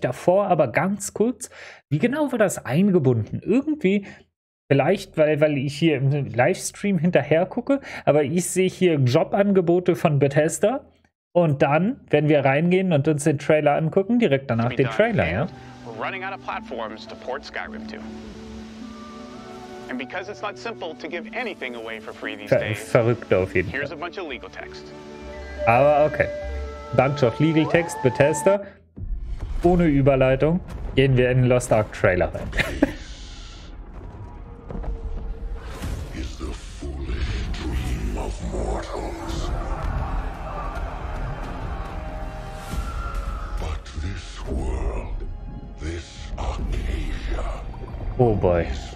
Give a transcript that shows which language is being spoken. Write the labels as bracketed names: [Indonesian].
[German] Davor aber ganz kurz. Wie genau war das eingebunden? Irgendwie, vielleicht, weil ich hier im Livestream hinterher gucke, aber ich sehe hier Jobangebote von Bethesda. Und dann, wenn wir reingehen und uns den Trailer angucken, direkt danach den Trailer. Ja? [English] We're running out of platforms to port Skyrim to. And because it's not simple to give anything away for free these days. [German] Verrückt auf jeden Fall. [English] Here's a bunch of legal text. [German] Aber okay. [English] Bunch of legal text, [German] Bethesda. Ohne Überleitung gehen wir in den Lost Ark Trailer rein. [English] Is the foolish dream of mortals. But this world, this Arcadia. Oh boy.